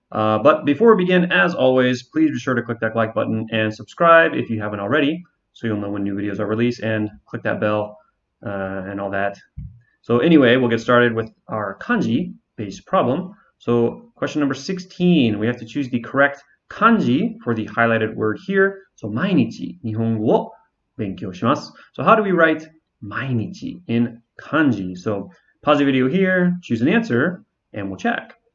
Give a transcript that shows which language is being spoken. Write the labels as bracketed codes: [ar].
[en] But before we begin, as always, please be sure to click that like button and subscribe if you haven't already, so you'll know when new videos are released, and click that bell and all that. So anyway, we'll get started with our kanji-based problem. So question number 16, we have to choose the correct kanji for the highlighted word here. [ja] So 毎日 日本語を勉強します. [en] So how do we write 毎日 in kanji? So pause the video here, choose an answer, and we'll check.